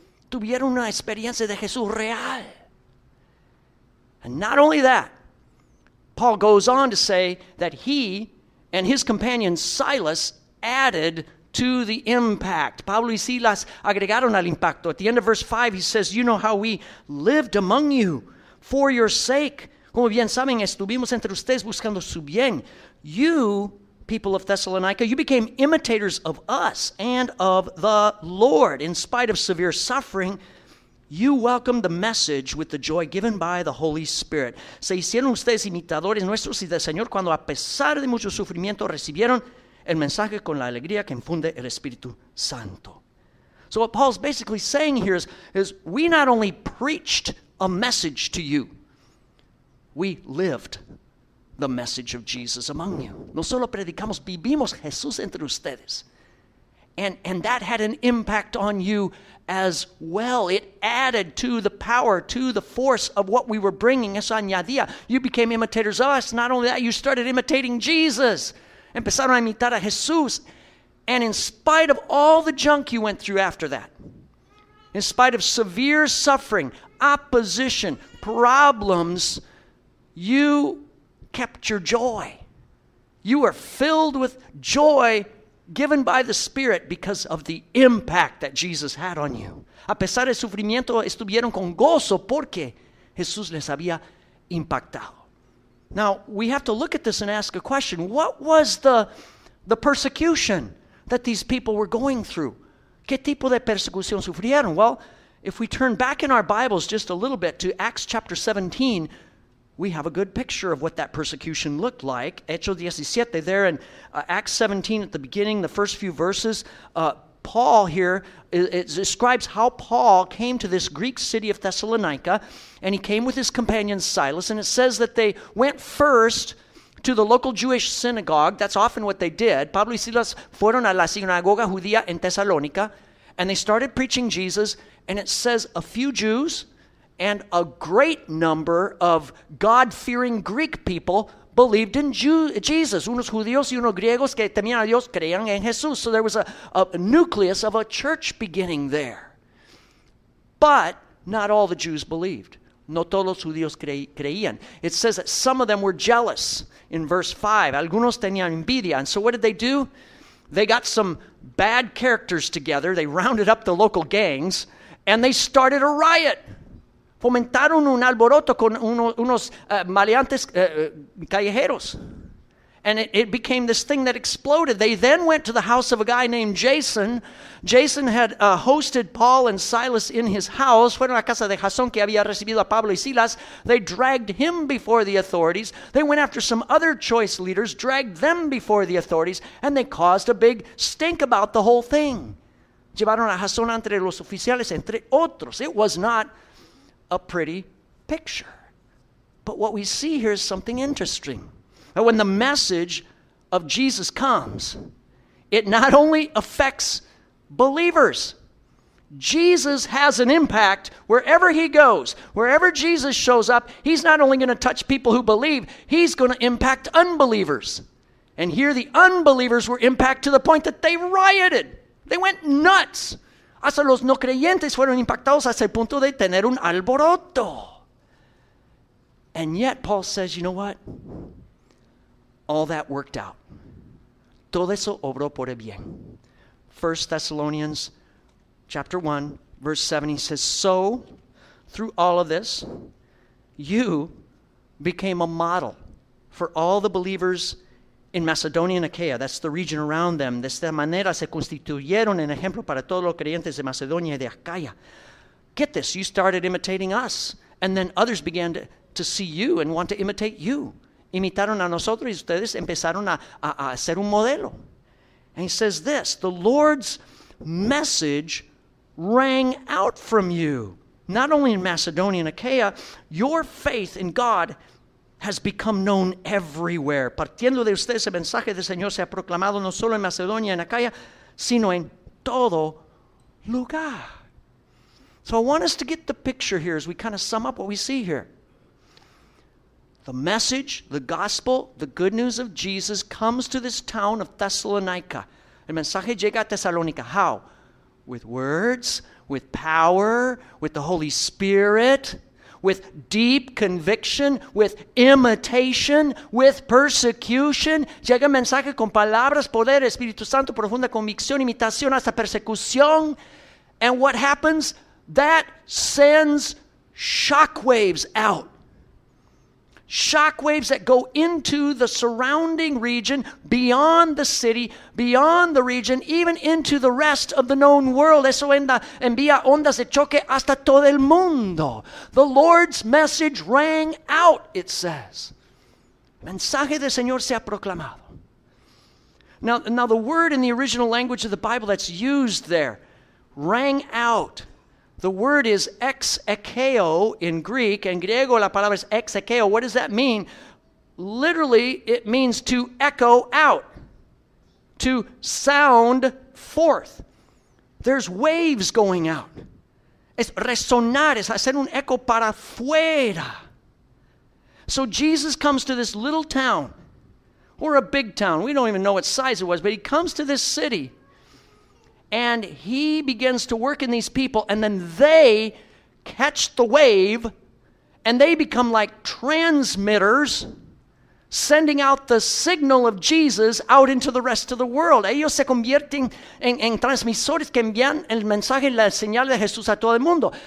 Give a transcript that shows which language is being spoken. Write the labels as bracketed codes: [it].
[es] Tuvieron una experiencia de Jesús real. [en] And not only that, Paul goes on to say that he and his companion Silas added to the impact. [es] Pablo y Silas agregaron al impacto. [en] At the end of verse 5, he says, you know how we lived among you for your sake. [es] Como bien saben, estuvimos entre ustedes buscando su bien. [en] You, people of Thessalonica, you became imitators of us and of the Lord. In spite of severe suffering, you welcomed the message with the joy given by the Holy Spirit. [es] Se hicieron ustedes imitadores nuestros y del Señor cuando, a pesar de mucho sufrimiento, recibieron el mensaje con la alegría que infunde el Espíritu Santo. [en] So what Paul's basically saying here is we not only preached a message to you, we lived the message of Jesus among you. [es] No solo predicamos, vivimos Jesús entre ustedes. [en] And that had an impact on you as well. It added to the power, to the force of what we were bringing. [es] Eso añadía. [en] You became imitators of us. Not only that, you started imitating Jesus. [es] Empezaron a imitar a Jesús. [en] And in spite of all the junk you went through after that, in spite of severe suffering, opposition, problems, you kept your joy. You were filled with joy given by the Spirit because of the impact that Jesus had on you. [es] A pesar del sufrimiento, estuvieron con gozo porque Jesús les había impactado. [en] Now, we have to look at this and ask a question. What was the persecution that these people were going through? [es] ¿Qué tipo de persecución sufrieron? [en] Well, if we turn back in our Bibles just a little bit to Acts chapter 17, we have a good picture of what that persecution looked like. [es] Hechos 17, [en] there in Acts 17 at the beginning, the first few verses, Paul here, it describes how Paul came to this Greek city of Thessalonica, and he came with his companion Silas, and it says that they went first to the local Jewish synagogue. That's often what they did. [es] Pablo y Silas fueron a la sinagoga judía en Tesalónica, [en] and they started preaching Jesus, and it says a few Jews and a great number of God-fearing Greek people believed in Jesus. [es] Unos judíos y unos griegos que temían a Dios creían en Jesús. [en] So there was a nucleus of a church beginning there. But not all the Jews believed. [es] No todos los judíos creían. [en] It says that some of them were jealous in verse 5. [es] Algunos tenían envidia. [en] And so what did they do? They got some bad characters together. They rounded up the local gangs, and they started a riot. [es] Fomentaron un alboroto con unos maleantes callejeros. [en] And it became this thing that exploded. They then went to the house of a guy named Jason. Jason had hosted Paul and Silas in his house. [es] Fueron a casa de Jason que había recibido a Pablo y Silas. [en] They dragged him before the authorities. They went after some other choice leaders, dragged them before the authorities, and they caused a big stink about the whole thing. [es] Llevaron a Jason entre los oficiales, entre otros. [en] It was not a pretty picture. But what we see here is something interesting. And when the message of Jesus comes, it not only affects believers. Jesus has an impact wherever he goes. Wherever Jesus shows up, he's not only going to touch people who believe, he's going to impact unbelievers. And here the unbelievers were impacted to the point that they rioted. They went nuts. [es] Hasta los no creyentes fueron impactados hasta el punto de tener un alboroto. [en] And yet Paul says, you know what? All that worked out. [es] Todo eso obró por el bien. [en] 1 Thessalonians chapter 1, verse 7, he says, so, through all of this, you became a model for all the believers in Macedonia and Achaia. That's the region around them. [es] De esta manera se constituyeron en ejemplo para todos los creyentes de Macedonia y de Achaia. [en] Get this, you started imitating us, and then others began to see you and want to imitate you. [es] Imitaron a nosotros y ustedes empezaron a hacer un modelo. [en] And he says this, the Lord's message rang out from you. Not only in Macedonia and Achaia, your faith in God has become known everywhere. [es] Partiendo de ustedes, el mensaje del Señor se ha proclamado no solo en Macedonia y en Achaia, sino en todo lugar. [en] So I want us to get the picture here as we kind of sum up what we see here. The message, the gospel, the good news of Jesus comes to this town of Thessalonica. [es] El mensaje llega a Tesalónica. [en] How? With words, with power, with the Holy Spirit, with deep conviction, with imitation, with persecution. [es] Llega el mensaje con palabras, poder, Espíritu Santo, profunda convicción, imitación, hasta persecución. [en] And what happens? That sends shockwaves out. Shockwaves that go into the surrounding region, beyond the city, beyond the region, even into the rest of the known world. [es] Eso envía ondas de choque hasta todo el mundo. [en] The Lord's message rang out, it says. [es] Mensaje del Señor se ha proclamado. [en] Now the word in the original language of the Bible that's used there, rang out. The word is ex echeo in Greek. [es] En griego, la palabra es ex echeo. [en] What does that mean? Literally, it means to echo out, to sound forth. There's waves going out. [es] Es resonar, es hacer un eco para afuera. [en] So Jesus comes to this little town, or a big town. We don't even know what size it was, but he comes to this city. And he begins to work in these people, and then they catch the wave, and they become like transmitters sending out the signal of Jesus out into the rest of the world. [es] Ellos se convierten en transmisores que envían el mensaje, la señal de Jesús a todo el mundo.